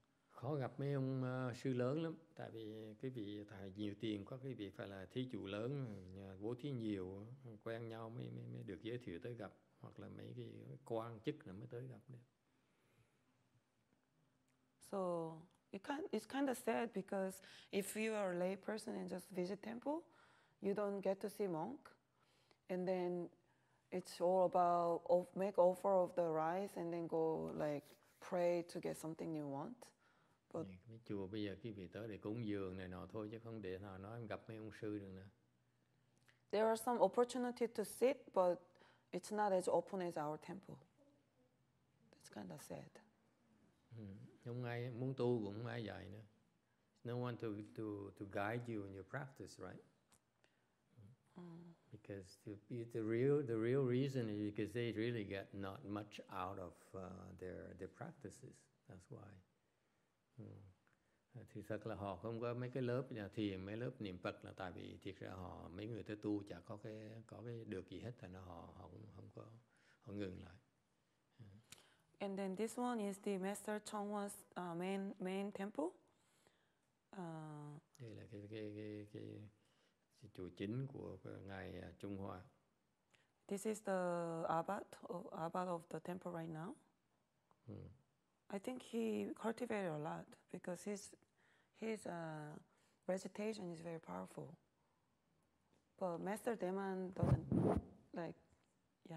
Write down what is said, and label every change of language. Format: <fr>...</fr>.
<vi>Khó gặp mấy ông sư lớn lắm, tại vì cái vị thầy nhiều tiền quá, cái vị phải là thí chủ lớn, nhà bố thí nhiều, quen nhau mới được giới thiệu tới gặp, hoặc là mấy cái quan chức là mới tới gặp được.</vi> <en>So it's kind of sad because if you are a lay person and just visit temple, you don't get to see monk, and then it's all about make offer of the rice and then go like pray to get something you want.</en> <vi>But mấy chùa bây giờ cái vị tới để cúng dường này nọ thôi chứ không để nào nói em gặp mấy ông sư được nữa.</vi> <en>There are some opportunity to sit, but it's not as open as our temple. That's kind of sad.</en> <vi>Không ai muốn tu cũng không ai dạy nữa.</vi> <en>No one to guide you in your practice, right? Because the real reason is because they really get not much out of their practices. That's why.</en> <vi>Thì thật là họ không có mấy cái lớp nhà thiền, mấy lớp niệm Phật là tại vì thiệt ra họ mấy người tới tu chả có cái được gì hết, thành ra họ không có, họ ngừng lại.</vi> <en>And then this one is the Master YongHua's main temple.</en> <vi>Đây là cái chùa chính của ngài YongHua.</vi> <en>This is the abbot of the temple right now. I think he cultivated a lot because his recitation is very powerful. But Master Daemon doesn't like, yeah.</en>